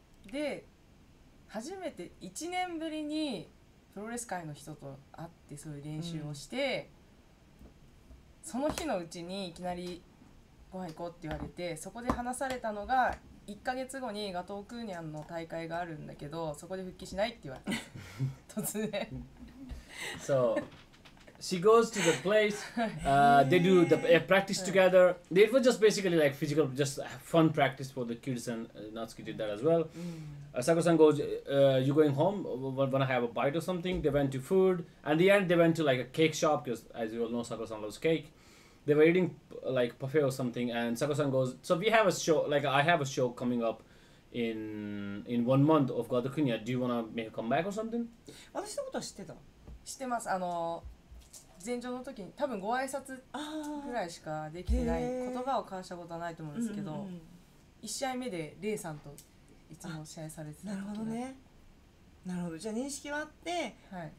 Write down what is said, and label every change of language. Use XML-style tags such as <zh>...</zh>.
<ja>で初めて1年ぶりにプロレス界の人と会ってそういう練習をして、うん、その日のうちにいきなりご飯行こうって言われてそこで話されたのが1ヶ月後にガトークーニャンの大会があるんだけどそこで復帰しないって言われた突然</ja> <en>So she goes to the place they do the practice together they were just basically like physical just fun practice for the kids and Natsuki did that as well Sako-san goes you going home wanna have a bite or something they went to food and the end they went to like a cake shop because as you all know Sako-san loves cake They were eating like parfait or something and Sako-san goes, so we have a show, like I have a show coming up in 1 month of God of Kunya. Do you want to make a comeback or something?</en> <ja>私のことは知ってた知ってます。あの、前場の時に多分ご挨拶ぐらいしかできてない言葉を交わしたことはないと思うんですけど、うんうんうん、1試合目でレイさんといつも試合されてた。なるほどね。なるほど。じゃあ認識はあって、はい、</ja>